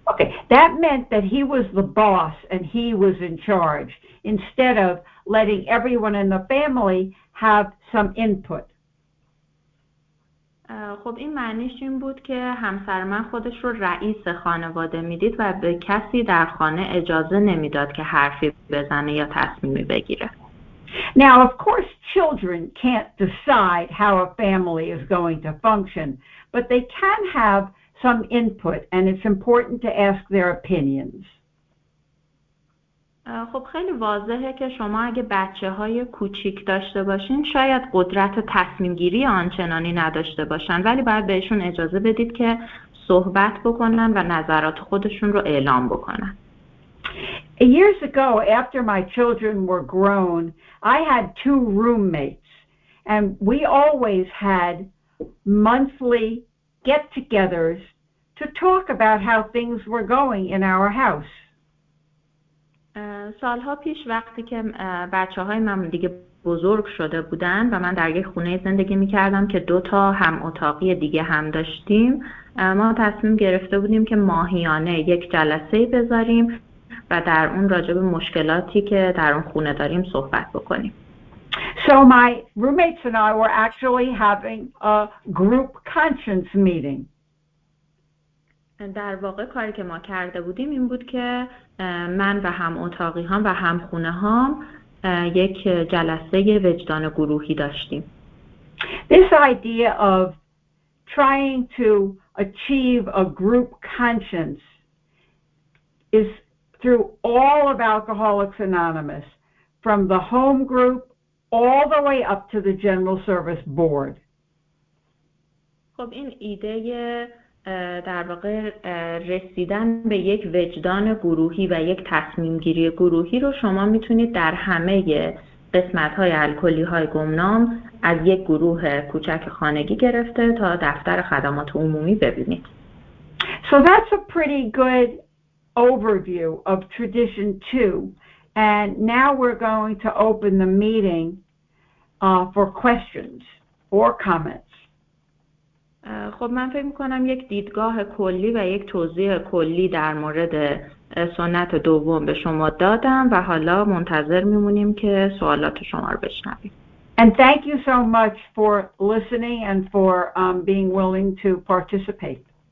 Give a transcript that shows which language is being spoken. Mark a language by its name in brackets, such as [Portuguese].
[English] Okay, that meant that he was the boss and he was in charge instead of letting everyone in the family have some input. [Persian] خب این معنیش این بود که همسر من خودش رو رئیس خانواده میدید و به کسی در خانه اجازه نمیداد که حرفی بزنه یا تصمیمی بگیره. [English] Now, of course, children can't decide how a family is going to function, but they can have some input, and it's important to ask their opinions. [Persian] خب خیلی واضحه که شما اگه بچه های کوچیک داشته باشین شاید قدرت تصمیم گیری آنچنانی نداشته باشن، ولی باید بهشون اجازه بدید که صحبت بکنن و نظرات خودشون رو اعلام بکنن. [English] Years ago, after my children were grown, I had two roommates, and we always had monthly get-togethers to talk about how things were going in our house. [Persian] سالها پیش وقتی که بچه های من دیگه بزرگ شده بودن و من در یک خونه زندگی می کردم که دو تا هم اتاقی دیگه هم داشتیم، ما تصمیم گرفته بودیم که ماهیانه یک جلسه بذاریم و در اون راجع به مشکلاتی که در اون خونه داریم صحبت بکنیم. [English] So my roommates and I were actually having a group conscience meeting. [Persian] در واقع کاری که ما کرده بودیم این بود که من و هم اتاقی هم و هم خونه هم یک جلسه وجدان گروهی داشتیم. [English] This idea of trying to achieve a group conscience is through all of Alcoholics Anonymous, from the home group all the way up to the General Service Board. [Persian] خب این ایده در واقع رسیدن به یک وجدان گروهی و یک تصمیم گیری گروهی رو شما میتونید در همه قسمت های الکلی های گمنام از یک گروه کوچک خانگی گرفته تا دفتر خدمات عمومی ببینید. [English] So that's a pretty good overview of tradition two, and now we're going to open the meeting for questions or comments. [Persian] خب من فکر می‌کنم یک دیدگاه کلی و یک توضیح کلی در مورد سنت دوم به شما دادم و حالا منتظر می‌مونیم که سوالات شما رو بشنویم. [English] And thank you so much for listening and for being willing to participate.